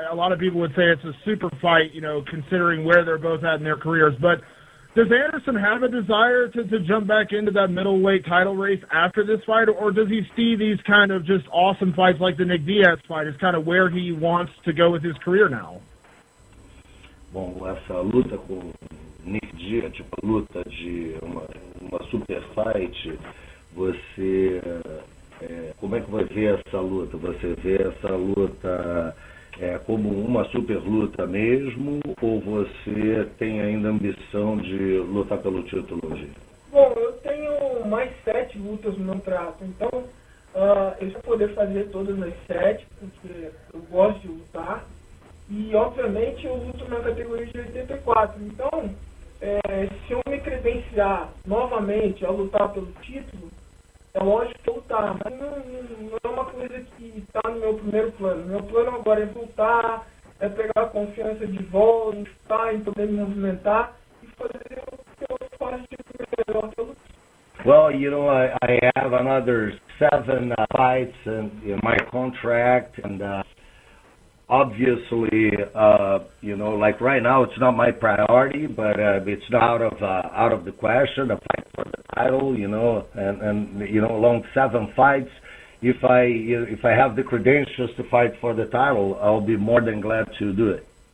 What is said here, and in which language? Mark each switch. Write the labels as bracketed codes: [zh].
[en] A lot of people would say it's a super fight, you know, considering where they're both at in their careers. But does Anderson have a desire to jump back into that middleweight title race after this fight, or does he see these kind of just awesome fights like the Nick Diaz fight as kind of where he wants to go with his career now? [pt] Bom, essa luta com Nick Diaz, tipo, a luta de uma super fight, você, como é que vai ver essa luta? Você vê essa luta como uma super luta mesmo, ou você tem ainda ambição de lutar pelo título hoje? Bom, eu tenho mais 7 lutas no meu prato, então eu vou poder fazer todas as 7, porque eu gosto de lutar. E, obviamente, eu luto na categoria de 84. Então, se eu me credenciar novamente a lutar pelo título, é lógico que eu lutar. Mas não é uma coisa que está no meu primeiro plano. Meu plano agora é voltar, é pegar a confiança de volta, estar em poder me movimentar e fazer o que eu faço de melhor que eu luto. [en] Well, you know, I have another 7 fights in my contract and... Obviously, you know, like right now, it's not my priority, but it's not out of the question, a fight for the title, you know, and you know, along 7 fights, if I have the credentials to fight for the title, I'll be more than glad to do it.